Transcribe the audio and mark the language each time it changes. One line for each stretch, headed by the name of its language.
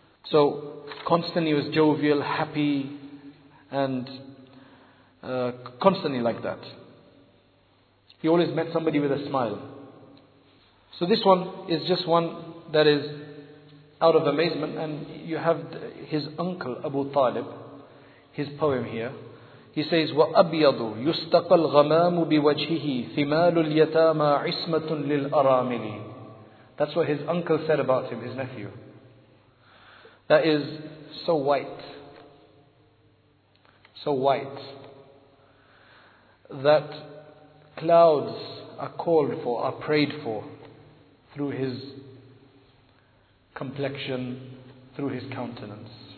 English: So constantly was jovial, happy, and constantly like that. He always met somebody with a smile. So this one is just one that is out of amazement. And you have his uncle Abu Talib, his poem here. He says,
Arabic: وَأَبْيَضُ يُسْتَقَى الْغَمَامُ بِوَجْهِهِ ثِمَالُ الْيَتَامَى عِصْمَةٌ لِلْأَرَامِلِ.
English: That's what his uncle said about him, his nephew. That is so white. So white. That clouds are called for, are prayed for through his complexion, through his countenance.